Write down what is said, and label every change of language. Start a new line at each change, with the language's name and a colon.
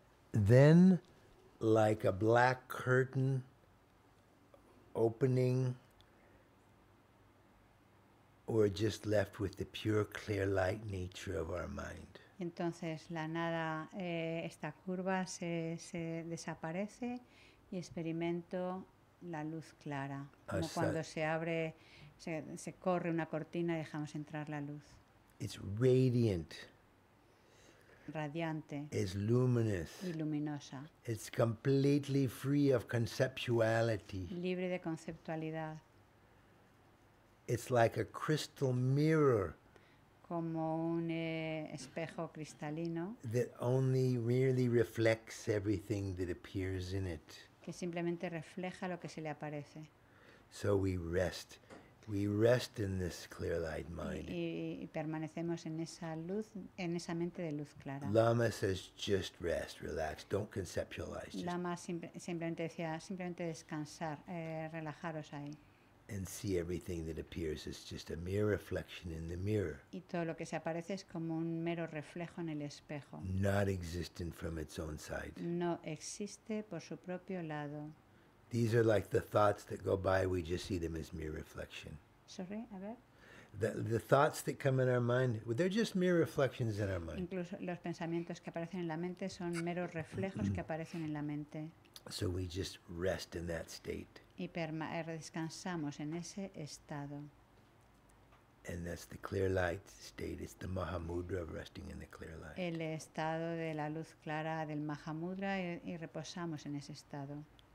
English: Then, like a black curtain opening, we're just left with the pure, clear light nature of our mind.
Spanish: Entonces la nada, esta curva se desaparece y experimento la luz clara, como cuando se abre, se corre una cortina y dejamos entrar la luz.
English: It's radiant.
Spanish: Radiante.
English: It's luminous.
Spanish: Y luminosa.
English: It's completely free of conceptuality.
Spanish: Libre de conceptualidad.
English: It's like a crystal mirror.
Spanish: Como un espejo cristalino.
English: That only really reflects everything that appears in it.
Spanish: Que simplemente refleja lo que se le aparece.
English: So we rest. We rest in this clear light mind.
Spanish: Y permanecemos en esa luz, en esa mente de luz clara.
English: Lama says, just rest, relax, don't conceptualize.
Spanish: Lama simplemente decía, simplemente descansar, relajaros ahí.
English: And see everything that appears is just a mere reflection in the mirror.
Spanish: Y todo lo que se aparece es como un mero reflejo en el espejo.
English: Not existent from its own side.
Spanish: No existe por su propio lado.
English: These are like the thoughts that go by, we just see them as mere reflection. Sorry,
Spanish: a ver.
English: The thoughts that come in our mind, they're just mere reflections in our mind.
Spanish: Incluso los pensamientos que aparecen en la mente son meros reflejos que aparecen en la mente.
English: So we just rest in that state.
Spanish: Y descansamos en ese estado.
English: And that's the clear light state. It's the Mahamudra of resting in the clear light.
Spanish: El estado de la luz clara del Mahamudra y reposamos en ese estado.